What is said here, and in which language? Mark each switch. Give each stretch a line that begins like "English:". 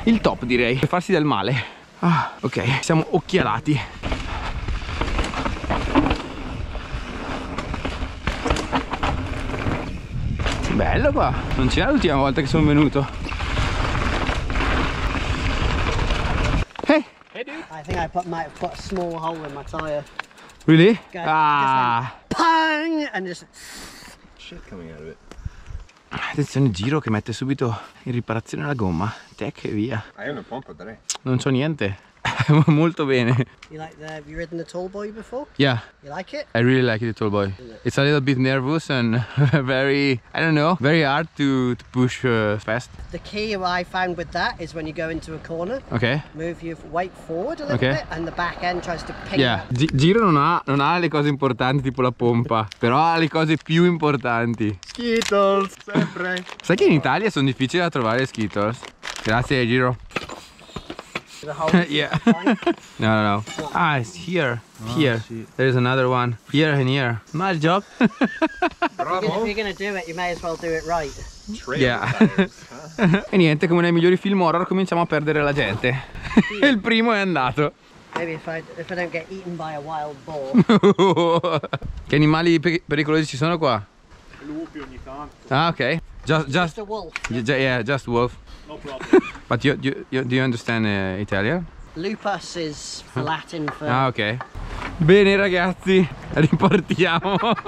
Italian: Il top, direi, per farsi del male. Ah, ok, siamo occhialati. Bello qua, non c'era l'ultima volta che sono venuto.
English: Hey dude, I think I put a small hole in my tire. Really? Okay. Ah, bang! And just shit coming out of it.
Italian: Attenzione, Giro che mette subito in riparazione la gomma. Tech e via. Hai una pompa, dai. Non c'ho niente. Molto bene.
English: You like the, have you ridden the tall boy before? Yeah. You like it? I really like the tall boy. It's a little bit nervous and very, I don't know, very hard to push fast. The key I found with that is when you go into a corner, okay, move your weight forward a little, okay, bit, and the back end tries to pick. Yeah.
Italian: Giro non ha le cose importanti tipo la pompa, però ha le cose più importanti. Skittles, sempre. Sai che in Italia sono difficili da trovare Skittles?
English: Grazie, Giro. Yeah. No, no, no. Ah, it's here. Oh, here. Shit. There's another one. Here and here. My job.
Italian: Bravo.
English: If you're gonna do it, you may as well do it right. Trail, yeah. Huh?
Italian: E niente, come nei migliori film horror, cominciamo a perdere la gente. Il primo è andato.
English: Maybe if I don't get eaten by a wild boar.
Italian: Che animali pericolosi ci sono qua? Lupi ogni tanto.
English: Ah, okay. Just a wolf. Just a wolf. No problem. But do you understand Italian? Lupus is Latin for... Ah, okay.
Italian: Bene, ragazzi, ripartiamo.